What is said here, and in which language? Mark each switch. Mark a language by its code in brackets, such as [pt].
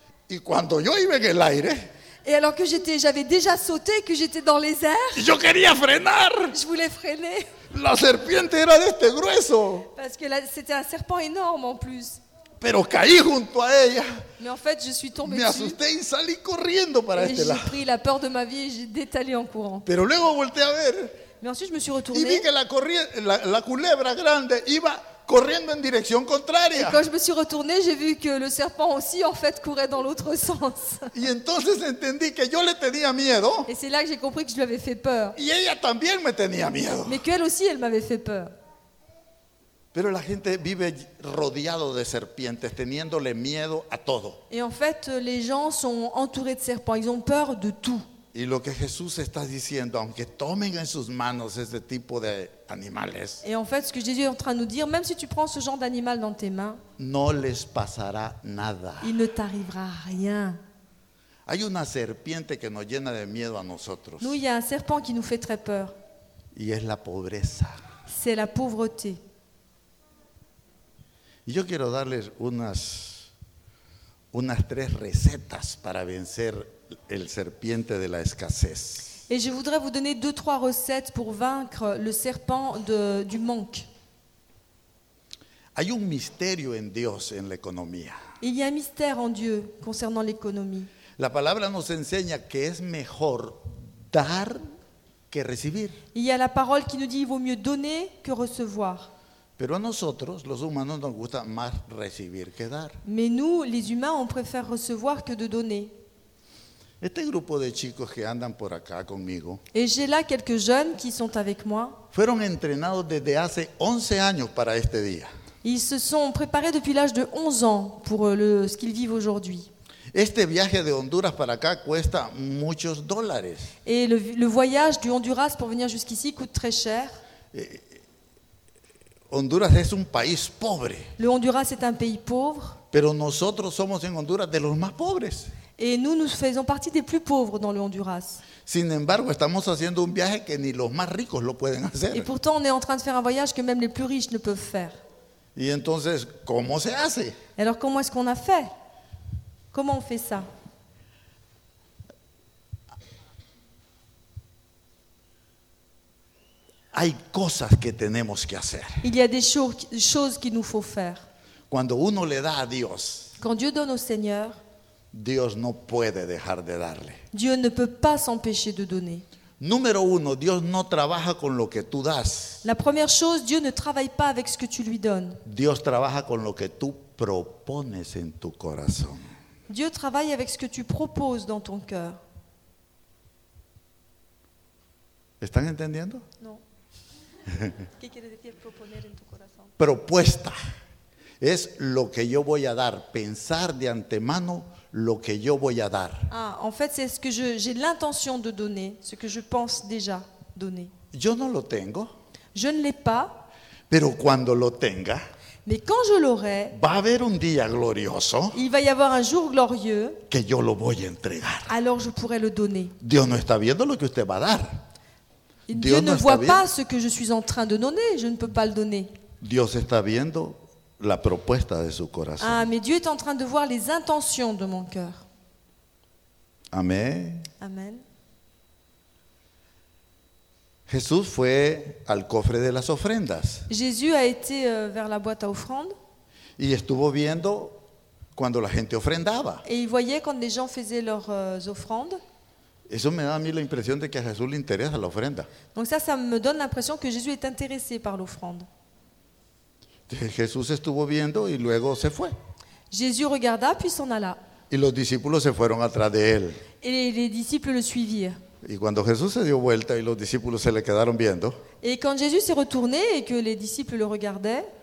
[es] Y cuando yo iba en el aire, [fr] et alors que j'avais déjà sauté, que j'étais dans les airs, [es] yo quería frenar. [fr] Je voulais freiner. [es] La serpiente era de este grueso. [fr] Parce que là, c'était un serpent énorme en plus. [es] Pero caí junto a ella. [fr] Mais en fait, je suis tombé dessus. [es] Me asusté y salí corriendo para este lado. [fr] J'ai pris la peur de ma vie et j'ai détalé en courant. [es] Pero luego volteé a ver. [fr] Mais ensuite, je me suis retourné. [es] Y vi que la culebra grande iba corriendo en dirección contraria. [fr] Et quand je me suis retourné, j'ai vu que le serpent aussi, en fait, courait dans l'autre sens. [es] Y entonces entendí que yo le tenía miedo. [fr] Et c'est là que j'ai compris que je lui avais fait peur. [es] Y ella también me tenía miedo. [fr] Mais qu'elle aussi, elle m'avait fait peur. [es] Pero la gente vive rodeado de serpientes, teniéndole miedo a todo. [fr] Et en fait, les gens sont entourés de serpents, ils ont peur de tout. [es] Y lo que Jesús está diciendo, aunque tomen en sus manos ese tipo de animales. [fr] Et en fait, ce que Jésus est en train de nous dire, même si tu prends ce genre d'animal dans tes mains, [es] no les pasará nada. [fr] Il ne t'arrivera rien. [es] Hay una serpiente que nos llena de miedo a nosotros. [fr] Nous, il y a un serpent qui nous fait très peur. [es] Y es la pobreza. [fr] C'est la pauvreté. [es] Y yo quiero darles unas unas tres recetas para vencer el serpiente de la escasez. [fr] Et je voudrais vous donner deux trois recettes pour vaincre le serpent du manque. [es] Hay un misterio en Dios en la economía. [fr] Il y a un mystère en Dieu concernant l'économie. [es] La palabra nos enseña que es mejor dar que recibir. [fr] Il y a la parole qui nous dit qu'il vaut mieux donner que recevoir. [es] Pero a nosotros, los humanos, nos gusta más recibir que dar. [fr] Mais nous, les humains, on préfère recevoir que de donner. [es] Este grupo de chicos que andan por acá conmigo. [fr] Et j'ai là quelques jeunes qui sont avec moi. [es] Fueron entrenados desde hace 11 años para este día. [fr] Ils se sont préparés depuis l'âge de 11 ans pour ce qu'ils vivent aujourd'hui. [es] Este viaje de Honduras para acá cuesta muchos dólares. [fr] Et le voyage du Honduras pour venir jusqu'ici coûte très cher. [es] Honduras es un país pobre. [fr] Le Honduras est un pays pauvre. [es] Pero nosotros somos en Honduras de los más pobres. [fr] Et nous faisons partie des plus pauvres dans le Honduras. [es] Sin embargo, estamos haciendo un viaje que ni los más ricos lo pueden hacer. [fr] Et pourtant, on est en train de faire un voyage que même les plus riches ne peuvent faire. [es] Y entonces, ¿cómo se hace? [fr] Alors, comment est-ce qu'on a fait? Comment on fait ça? [es] Hay cosas que tenemos que hacer. [fr] Il y a des choses qu'il nous faut faire. [es] Cuando uno le da a Dios, [fr] quand Dieu donne au Seigneur, [es] Dios no puede dejar de darle. [fr] Dieu ne peut pas s'empêcher de donner. [es] Número uno, Dios no trabaja con lo que tú das. [fr] La première chose, Dieu ne travaille pas avec ce que tu lui donnes. [es] Dios trabaja con lo que tú propones en tu corazón. [fr] Dieu travaille avec ce que tu proposes dans ton cœur. [es] ¿Están entendiendo? No. ¿Qué quiere decir proponer en tu corazón? Propuesta. Es lo que yo voy a dar, pensar de antemano lo que yo voy a dar. [fr] Ah, en fait, c'est ce que j'ai l'intention de donner, ce que je pense déjà donner. [es] Yo no lo tengo. [fr] Je ne l'ai pas. [es] Pero cuando lo tenga. [fr] Mais quand je l'aurai. [es] Va a haber un día glorioso. [fr] Il va y avoir un jour glorieux. [es] Que yo lo voy a entregar. [fr] Alors je pourrai le donner. [es] Dios no está viendo lo que usted va a dar. [fr] Dieu ne voit pas ce que je suis en train de donner. Je ne peux pas le donner. [es] Dios está viendo la propuesta de su corazón. [fr] Ah, mais Dieu est en train de voir les intentions de mon cœur. [es] Amén. [fr] Amen. [es] Jesús fue al cofre de las ofrendas. [fr] Jésus a été vers la boîte à offrandes. [es] Y estuvo viendo cuando la gente ofrendaba. [fr] Et il voyait quand les gens faisaient leurs offrandes. [es] Eso me da a mí la impresión de que a Jesús le interesa la ofrenda. [fr] Donc ça me donne l'impression que Jésus est intéressé par l'offrande. [es] Jesús estuvo viendo y luego se fue. [fr] Jésus regarda puis s'en alla. [es] Y los discípulos se fueron atrás de él. [fr] Et les disciples le suivirent. [es] Y cuando Jesús se dio vuelta y los discípulos se le quedaron viendo. [fr] Et quand Jésus s'est retourné et que les disciples le regardaient.